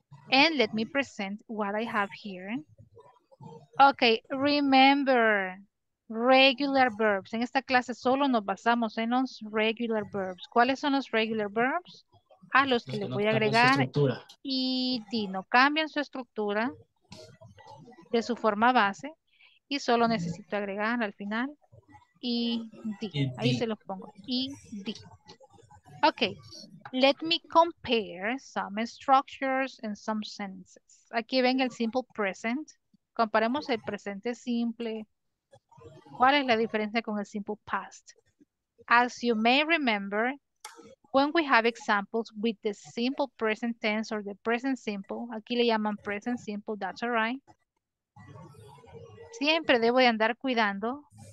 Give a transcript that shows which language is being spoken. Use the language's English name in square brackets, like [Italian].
[English] And let me present what I have here. Ok. Remember. Regular verbs. [Spanish] En esta clase solo nos basamos en los regular verbs. ¿Cuáles son los regular verbs? A los que les no voy a agregar. ED. No cambian su estructura de su forma base. Y solo necesito agregar al final ED. Ahí se los pongo. ED. Ok. [English] Let me compare some structures and some sentences. [Spanish] Aquí ven el simple present. Comparemos el presente simple. ¿Cuál es la diferencia con el simple past? [English] As you may remember, when we have examples with the simple present tense or the present simple, [Spanish] aquí le llaman present simple, [English] that's all right. [Spanish] Siempre debo de andar cuidando